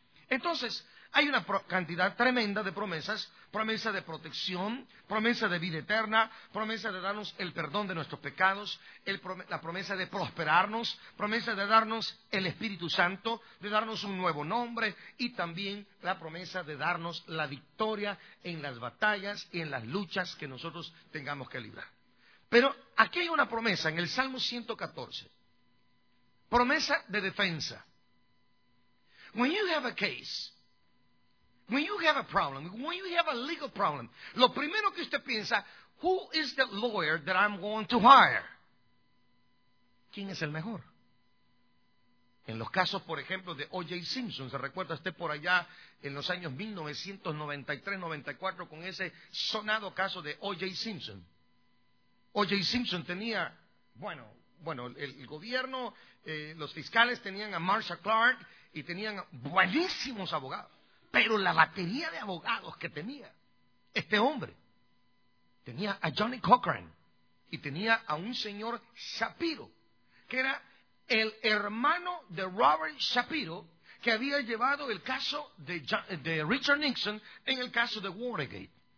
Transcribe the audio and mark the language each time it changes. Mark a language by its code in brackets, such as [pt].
[es] Entonces, hay una cantidad tremenda de promesas, promesa de protección, promesa de vida eterna, promesa de darnos el perdón de nuestros pecados, la promesa de prosperarnos, promesa de darnos el Espíritu Santo, de darnos un nuevo nombre y también la promesa de darnos la victoria en las batallas y en las luchas que nosotros tengamos que librar. Pero aquí hay una promesa en el Salmo 114, promesa de defensa. [en] When you have a case, when you have a problem, when you have a legal problem, [es] lo primero que usted piensa, [en] who is the lawyer that I'm going to hire? [es] ¿Quién es el mejor? En los casos, por ejemplo, de O.J. Simpson, ¿se recuerda usted por allá en los años 1993-94 con ese sonado caso de O.J. Simpson? O.J. Simpson tenía, bueno, el gobierno, los fiscales tenían a Marsha Clark y tenían buenísimos abogados, pero la batería de abogados que tenía este hombre, tenía a Johnny Cochran y tenía a un señor Shapiro, que era el hermano de Robert Shapiro, que había llevado el caso de Richard Nixon en el caso de Watergate.